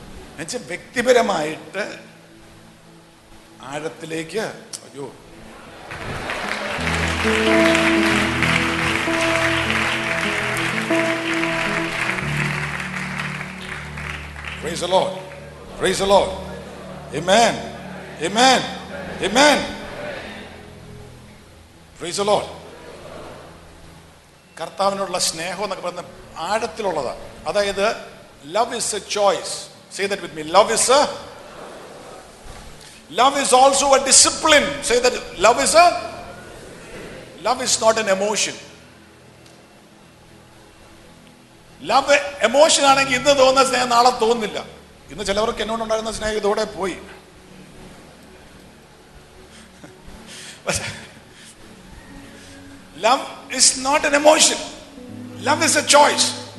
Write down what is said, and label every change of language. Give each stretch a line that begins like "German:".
Malayalam: എന്നുവെച്ചാൽ വ്യക്തിപരമായിട്ട് ആഴത്തിലേക്ക്, അയ്യോ
English: praise the lord, praise the lord, amen, amen, amen, praise the lord.
Malayalam: കർത്താവിനോടുള്ള സ്നേഹം എന്നൊക്കെ പറയുന്ന ആഴത്തിലുള്ളതാ. അതായത്
English: love is a choice, say that with me, love is a, love is also a discipline, say that, love is a, love is not an emotion.
Malayalam: Love emotion ആണെങ്കിൽ ഇന്ന് തോന്നുന്ന സ്നേഹം നാളെ തോന്നില്ല. ഇന്ന് ചിലവർക്ക് എന്നോട് ഉണ്ടായിരുന്ന സ്നേഹം ഇതോടെ പോയി.
English: Love is not an emotion, love is a choice.